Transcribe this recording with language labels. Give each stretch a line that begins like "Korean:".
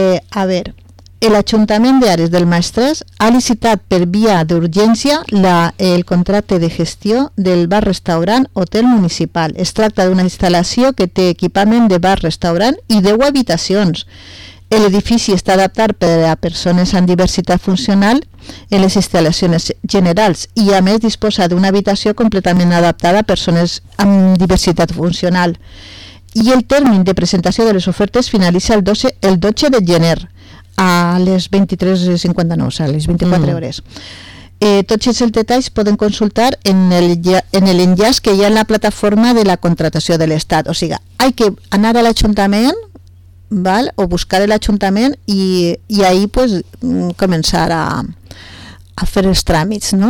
Spanish: A ver, el Ayuntamiento de Ares del Maestrat ha licitado per vía de urgencia el contrato de gestión del bar, restaurante, hotel municipal. Es trata de una instalación que tiene equipamiento de bar, restaurante y 10 habitaciones.
Catalan: El edifici està adaptat per a persones amb diversitat funcional en les instal·lacions generals i, a més, disposa d'una habitació completament adaptada a persones amb diversitat funcional. I el termini de presentació de les ofertes finalitza el 12 de gener a les 23:59, o sigui, a les 24 hores. Tots els detalls poden consultar en el enllaç que hi ha en la plataforma de la contratació de l'Estat. O sigui,
Spanish: hay que
Catalan: anar a l'Ajuntament, ¿val?,
Spanish: o buscar el ayuntamiento y ahí pues comenzar a hacer los trámites, ¿no?